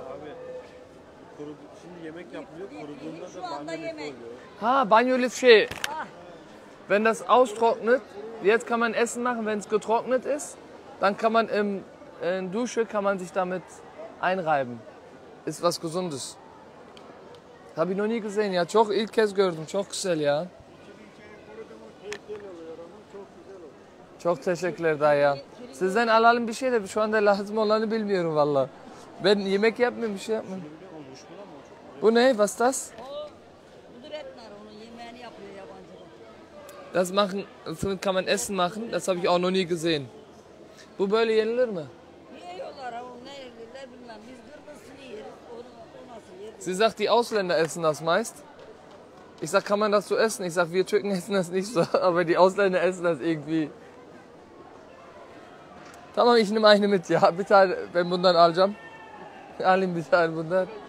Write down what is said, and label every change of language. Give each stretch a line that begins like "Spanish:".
Turkish: Abi, kuru, şimdi yemek yapılıyor, kuruduğunda da banyo lifi oluyor. Ha, banyo lifi şey.
German: Wenn das austrocknet, jetzt kann man Essen machen, wenn es getrocknet ist, dann kann man in Dusche, kann man sich damit einreiben. Ist was Gesundes. Habe ich noch nie gesehen, ja.
Turkish: Çok ilk kez gördüm, çok güzel, ja. Çok teşekkürler Daya. Sizden alalım bir şey de şu anda lazım olanı bilmiyorum valla. Ben yemek yapmıyorum, bir şey yapmıyorum. Bu ne?
German: Was das?
Turkish: Bu da Rettner, onun yemeğini yapıyor yabancı.
German: Das machen, damit kann man Essen machen. Das habe ich auch noch nie gesehen.
Turkish: Bu böyle yenilir mi? Yiyorlar ama ne yerler bilmem. Biz kırmızısını yeriz, onu nasıl yeriz?
German: Sie sagt, die Ausländer essen das meist. Ich sag, kann man das so essen? Ich sag, wir Türken essen das nicht so, aber die Ausländer essen das irgendwie. Tamam, ich nehme eine mit, ya.
Turkish: Bir tane ben bundan alacağım. Alayım bir tane bundan.